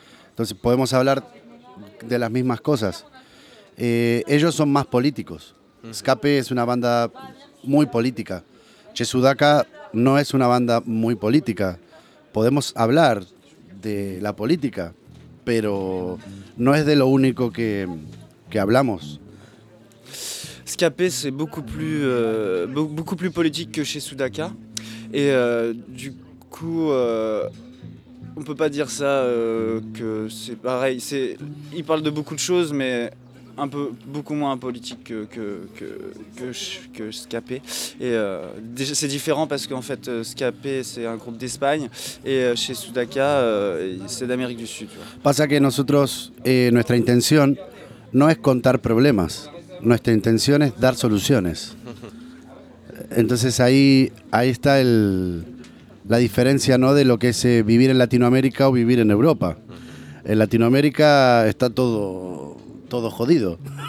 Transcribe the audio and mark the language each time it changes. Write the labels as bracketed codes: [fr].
[es] Entonces podemos hablar de las mismas cosas. Ellos son más políticos. Uh-huh. Escape es una banda muy política. Che Sudaka no es una banda muy política. Podemos hablar de la política, pero no es de lo único que hablamos. [fr] Scapé, c'est beaucoup plus politique que Che Sudaka. Et du coup, on ne peut pas dire ça, que c'est pareil. Ils parlent de beaucoup de choses, mais beaucoup moins politique que Scapé. C'est différent parce qu'en fait, Scapé, c'est un groupe d'Espagne. Et Che Sudaka, c'est d'Amérique du Sud. [es] Pasa que nosotros, nuestra intención no es contar problemas. Nuestra intención es dar soluciones. Entonces ahí está la diferencia, ¿no?, de lo que es vivir en Latinoamérica o vivir en Europa. En Latinoamérica está todo jodido.